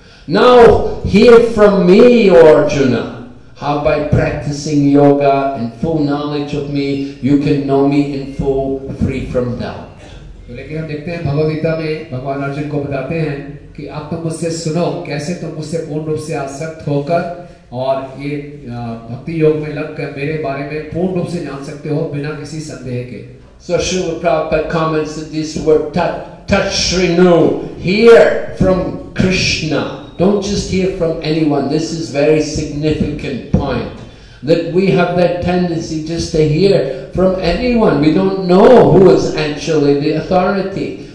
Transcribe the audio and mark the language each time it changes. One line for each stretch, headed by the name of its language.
English: Now hear from me, O Arjuna, how by practicing yoga and full knowledge of me, you can know me in full, free from doubt.
Hindi: लेकिन हम देखते हैं भगवद गीता में भगवान अर्जुन को बताते हैं कि आप तो मुझसे सुनो कैसे तुम मुझसे पूर्ण रूप से आसक्त होकर और ये भक्ति योग में लग कर मेरे बारे में पूर्ण रूप से जान सकते हो बिना किसी संदेह के
English: So Srila Prabhupada comments that this word tachrinu, hear from Krishna. Don't just hear from anyone. This is very significant point. That we have that tendency just to hear from anyone. We don't know who is actually the authority.